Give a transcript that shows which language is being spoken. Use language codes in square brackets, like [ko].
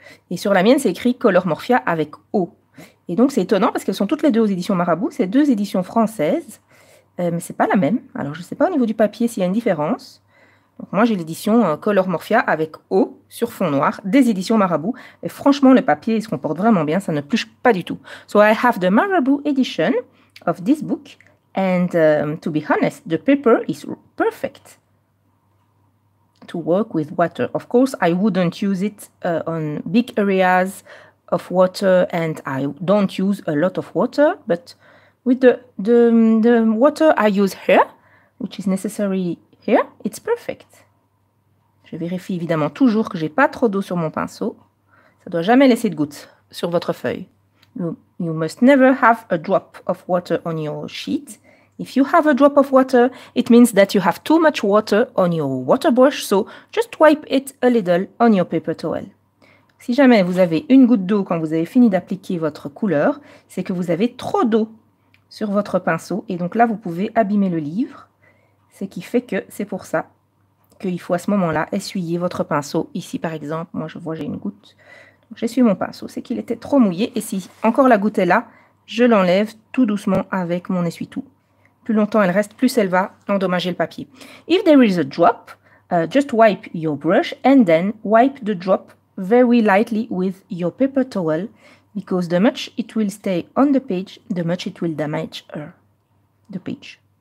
[fr] Et sur la mienne, c'est écrit Color Morphia avec O. Et donc, c'est étonnant parce qu'elles sont toutes les deux aux éditions Marabout. C'est deux éditions françaises, mais ce n'est pas la même. Alors, je ne sais pas au niveau du papier s'il y a une différence. Donc, moi, j'ai l'édition Color Morphia avec O sur fond noir des éditions Marabout. Et franchement, le papier, il se comporte vraiment bien. Ça ne pluche pas du tout. [en] So, I have the Marabout edition of this book. And to be honest, the paper is perfect to work with water. Of course, I wouldn't use it on big areas of water, and I don't use a lot of water. But with the water I use here, which is necessary here, it's perfect. [fr] Je vérifie évidemment toujours que j'ai pas trop d'eau sur mon pinceau. Ça doit jamais laisser de gouttes sur votre feuille. [en] You must never have a drop of water on your sheet. If you have a drop of water, it means that you have too much water on your water brush, so just wipe it a little on your paper towel. [fr] Si jamais vous avez une goutte d'eau quand vous avez fini d'appliquer votre couleur, c'est que vous avez trop d'eau sur votre pinceau, et donc là vous pouvez abîmer le livre, ce qui fait que c'est pour ça qu'il faut à ce moment-là essuyer votre pinceau. Ici par exemple, moi je vois j'ai une goutte, donc j'essuie mon pinceau, c'est qu'il était trop mouillé, et si encore la goutte est là, je l'enlève tout doucement avec mon essuie-tout. Plus longtemps elle reste, plus elle va endommager le papier. [en] If there is a drop, just wipe your brush and then wipe the drop very lightly with your paper towel Because the much it will stay on the page, the much it will damage the page.